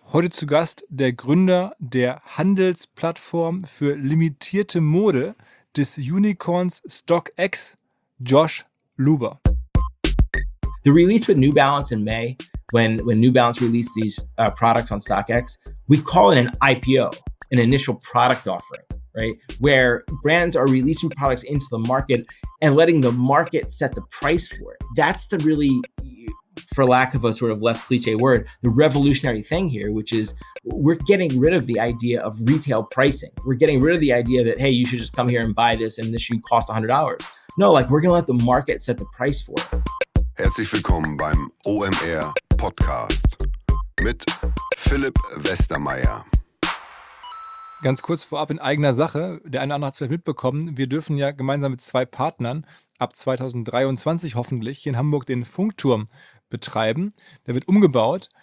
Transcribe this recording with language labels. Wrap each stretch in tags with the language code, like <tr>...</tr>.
<de>Heute zu Gast der Gründer der Handelsplattform für limitierte Mode des Unicorns StockX, Josh Luber.</de> <en>The release with New Balance in May, when New Balance released these products on StockX, we call it an IPO, an initial product offering, right? Where brands are releasing products into the market and letting the market set the price for it. That's the really, for lack of a sort of less cliche word, the revolutionary thing here, which is we're getting rid of the idea of retail pricing. We're getting rid of the idea that, hey, you should just come here and buy this and this should cost $100. No, like we're going to let the market set the price for it.</en> <de>Herzlich willkommen beim OMR Podcast mit Philipp Westermeier. Ganz kurz vorab in eigener Sache, der eine oder andere hat es vielleicht mitbekommen, wir dürfen ja gemeinsam mit zwei Partnern ab 2023 hoffentlich hier in Hamburg den Funkturm betreiben. Der wird umgebaut.</de>